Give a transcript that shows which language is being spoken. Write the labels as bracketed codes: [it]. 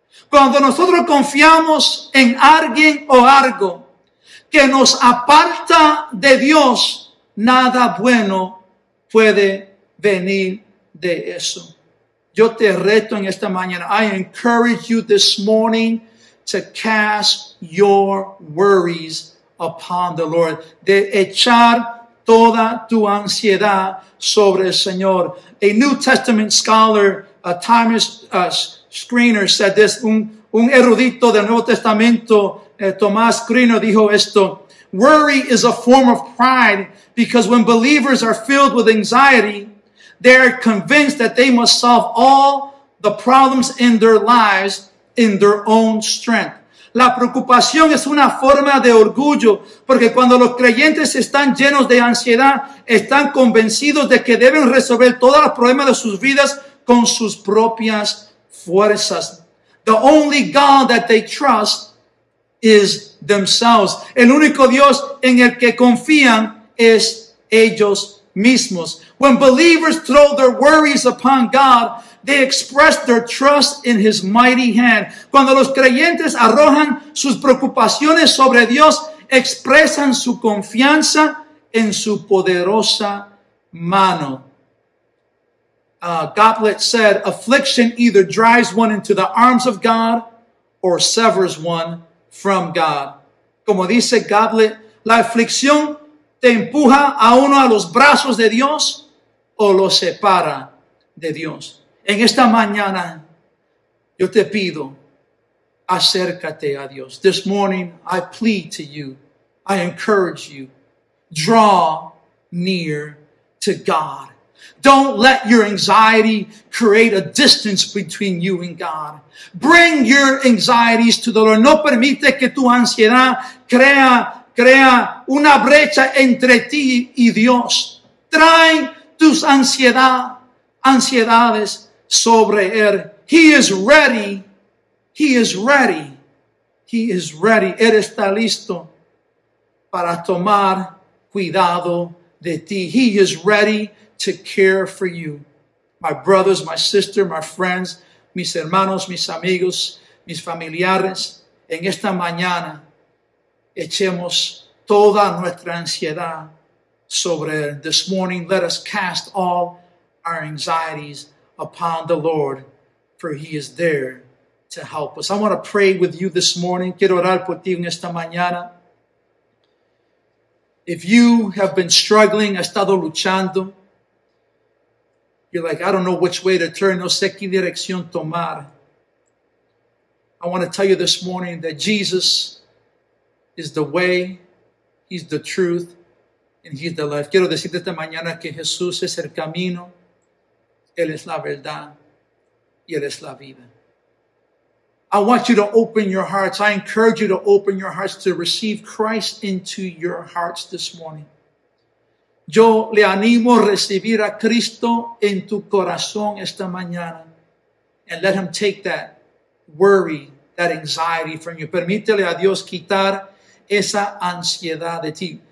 [es] Cuando nosotros confiamos en alguien o algo que nos aparta de Dios, nada bueno puede venir de eso. Yo te reto en esta mañana. [en] I encourage you this morning to cast your worries upon the Lord. [es] De echar toda tu ansiedad sobre el Señor. [en] A New Testament scholar, Thomas Screener, said this. [es] Un erudito del Nuevo Testamento, Thomas Screener, dijo esto. [en] Worry is a form of pride because when believers are filled with anxiety, they are convinced that they must solve all the problems in their lives in their own strength. [es] La preocupación es una forma de orgullo porque cuando los creyentes están llenos de ansiedad, están convencidos de que deben resolver todos los problemas de sus vidas con sus propias fuerzas. [en] The only God that they trust is themselves. [es] El único Dios en el que confían es ellos mismos. [en] When believers throw their worries upon God, they express their trust in His mighty hand. [es] Cuando los creyentes arrojan sus preocupaciones sobre Dios, expresan su confianza en su poderosa mano. [en] Goblet said, affliction either drives one into the arms of God or severs one from God. [es] Como dice Goblet, la aflicción te empuja a uno a los brazos de Dios o lo separa de Dios. En esta mañana, yo te pido, acércate a Dios. [en] This morning, I plead to you, I encourage you, draw near to God. Don't let your anxiety create a distance between you and God. Bring your anxieties to the Lord. [es] No permite que tu ansiedad crea una brecha entre ti y Dios. Trae tus ansiedades sobre Él. [en] He is ready. He is ready. He is ready. [es] Él está listo para tomar cuidado de ti. [en] He is ready to care for you. My brothers, my sister, my friends, [es] mis hermanos, mis amigos, mis familiares, en esta mañana echemos toda nuestra ansiedad sobre Él. [en] This morning, let us cast all our anxieties upon the Lord, for He is there to help us. I want to pray with you this morning. [es] Quiero orar por ti en esta mañana. [en] If you have been struggling, [es] has estado luchando, [en] you're like, I don't know which way to turn. [es] No sé qué dirección tomar. [en] I want to tell you this morning that Jesus is the way, He's the truth, and He's the life. [es] Quiero decirte esta mañana que Jesús es el camino, Él es la verdad, y Él es la vida. [en] I want you to open your hearts. I encourage you to open your hearts to receive Christ into your hearts this morning. [es] Yo le animo a recibir a Cristo en tu corazón esta mañana. [en] And let Him take that worry, that anxiety from you. [es] Permítele a Dios quitar esa ansiedad de ti.